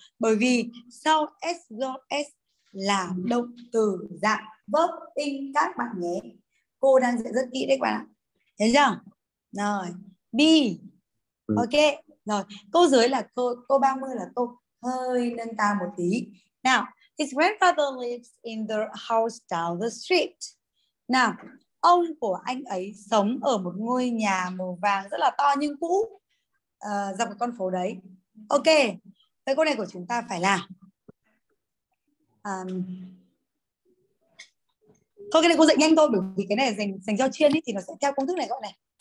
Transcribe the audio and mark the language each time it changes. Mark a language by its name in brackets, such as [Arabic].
[Vietnamese] Bởi vì sau S, do S là động từ dạng verb in các bạn nhé. Cô đang dạy rất kỹ đấy các bạn ạ. Thấy chưa? Rồi, B. Ok, rồi. Câu dưới là câu 30 là câu hơi nâng cao một tí. [English] Now, his grandfather lives in the house down the street. [Vietnamese] Now, ông của anh ấy sống ở một ngôi nhà màu vàng rất là to nhưng cũ, dọc một con phố đấy. Ok, cái câu này của chúng ta phải là, cái này cô dạy nhanh thôi, bởi vì cái này dành dành cho chuyên ý, thì nó sẽ theo công thức này các bạn này.